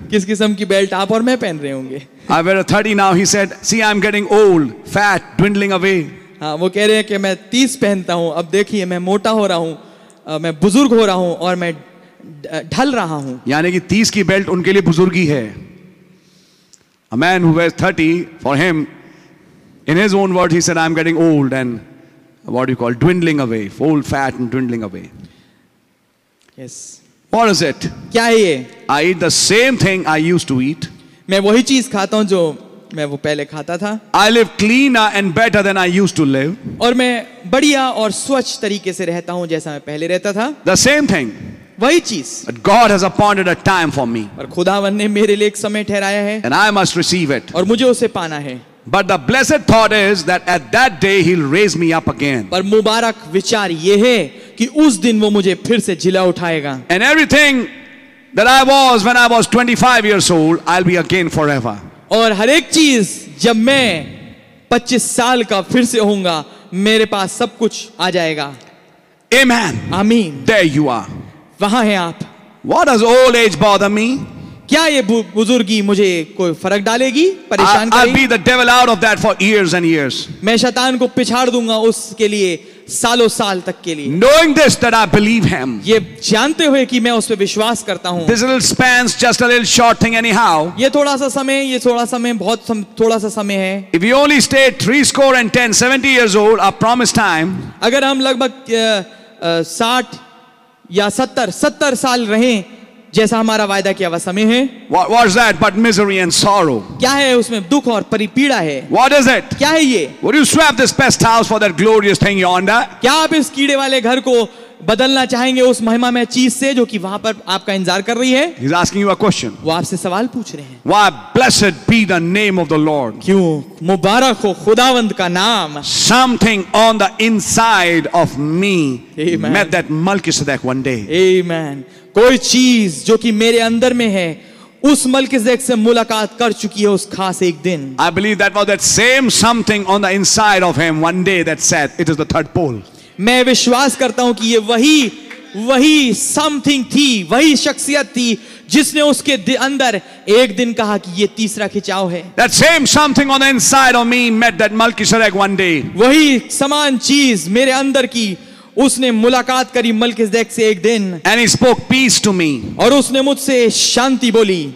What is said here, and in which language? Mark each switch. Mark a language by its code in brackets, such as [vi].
[hi] किस किस्म की बेल्ट आप और मैं पहन रहे होंगे. [en] I wear a 30 now. He said, see, I'm getting old, fat, dwindling away. [hi] हाँ वो कह रहे हैं कि मैं 30 पहनता हूँ अब देखिए मैं मोटा हो रहा हूँ मैं बुजुर्ग हो रहा हूँ और मैं ढल रहा हूँ. यानी कि 30 की बेल्ट उनके लिए बुजुर्गी है. [en] A man who wears 30, for him, in his own words, he said, I'm getting old and what do you call dwindling away, old fat and dwindling away. Yes. What is it? [hi] क्या है ये? [en] I eat the same thing I used to eat. [hi] मैं वही चीज खाता हूँ जो मैं वो पहले खाता था. [en] I live cleaner and better than I used to live. [hi] और मैं बढ़िया और स्वच्छ तरीके से रहता हूँ जैसा मैं पहले रहता था. [en] The same thing. [hi] वही चीज. [en] But God has appointed a time for me. [hi] और खुदावन ने मेरे लिए एक समय ठहराया है. [en] And I must receive it. [hi] और मुझे उसे पाना है. [en] But the blessed thought is that at that day He'll raise me up again. [hi] पर मुबारक विचार ये है कि उस दिन वो मुझे फिर से जिला उठाएगा. [en] And everything that I was when I was 25 years old, I'll be again forever. [hi] और हर एक चीज जब मैं 25 साल का फिर से होऊंगा मेरे पास सब कुछ आ जाएगा. [en] Amen. [hi] आमीन. [en] There you are. [hi] वहां है आप. [en] What does old age bother me? [hi] क्या ये बुजुर्गी मुझे कोई फर्क डालेगी परेशान करेगी? [en] I'll be the devil out of that for years and years. [hi] मैं शैतान को पिछाड़ दूंगा उसके लिए सालों साल तक के लिए. [en] Knowing this that I believe him. [hi] ये जानते हुए कि मैं उस पे विश्वास करता हूँ. [en] This little span's just a little short thing anyhow. [hi] ये थोड़ा सा समय बहुत थोड़ा सा समय है. [en] If you only stay 70 years old, our promised time. [hi] अगर हम लगभग 60 या 70 साल रहें जैसा हमारा वायदा किया हुआ समय है. [en] What's that but misery and sorrow? [hi] क्या है उसमें दुख और परिपीड़ा है. [en] What is it? [hi] क्या है ये? [en] Would you swap this pest house for that glorious thing yonder? [hi] क्या आप इस कीड़े वाले घर को बदलना चाहेंगे उस महिमा में चीज से जो कि वहां पर आपका इंतजार कर रही है? [en] He's asking you a question. [hi] वो आपसे सवाल पूछ रहे हैं. [en] Why blessed be the name of the Lord? [hi] क्यों मुबारक हो खुदावंद का नाम. [en] Something on the inside of me met that Melchizedek one day. Amen. [hi] कोई चीज जो कि मेरे अंदर में है उस मलकिज़ेदेक से मुलाकात कर चुकी है उस खास एक दिन. [en] I believe that was that same something on the inside of him one day that said it is the third pole. [hi] मैं विश्वास करता हूं कि ये वही समथिंग थी वही शख्सियत थी जिसने उसके अंदर एक दिन कहा कि ये तीसरा खिंचाव है. [en] That same something on the inside of me met that Melchizedek one day. [hi] वही समान चीज मेरे अंदर की उसने मुलाकात करी मलकिज़ेदेक से एक दिन. [en] And he spoke peace to me. [hi] और उसने मुझसे शांति बोली.